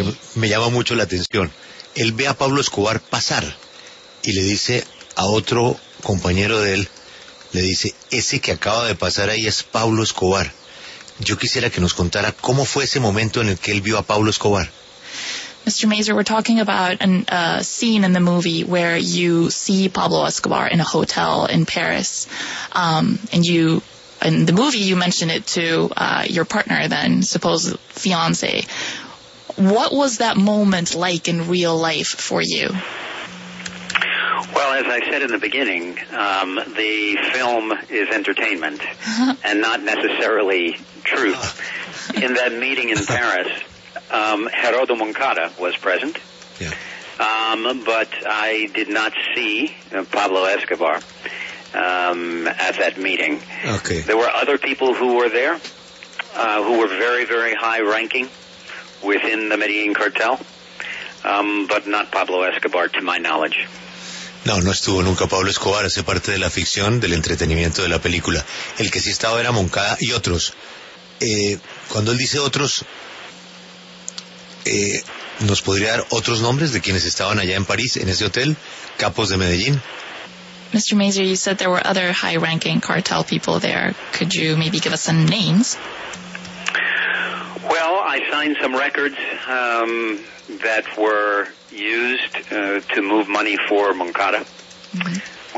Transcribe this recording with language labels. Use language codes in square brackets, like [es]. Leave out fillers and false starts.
[es] Que me llama mucho la atención. Él ve a Pablo Escobar pasar y le dice a otro compañero de él, le dice, ese que acaba de pasar ahí es Pablo Escobar. Yo quisiera que nos contara cómo fue ese momento en el que él vio a Pablo Escobar. [en] Mr. Mazur, we're talking about a scene in the movie where you see Pablo Escobar in a hotel in Paris. And you, in the movie, you mentioned it to your partner then, supposed fiancé. What was that moment like in real life for you? Well, as I said in the beginning, the film is entertainment and not necessarily truth. In that meeting in Paris, Geraldo Moncada was present, but I did not see Pablo Escobar at that meeting. Okay. There were other people who were there who were very, very high ranking within the Medellin cartel, but not Pablo Escobar, to my knowledge. [es] No, no estuvo nunca Pablo Escobar, hace parte de la ficción, del entretenimiento de la película. El que sí estaba era Moncada y otros. Cuando él dice otros, ¿nos podría dar otros nombres de quienes estaban allá en París, en ese hotel, capos de Medellín? [en] Mr. Mazur, you said there were other high-ranking cartel people there. Could you maybe give us some names? Well, I signed some records that were used to move money for Moncada. Mm-hmm.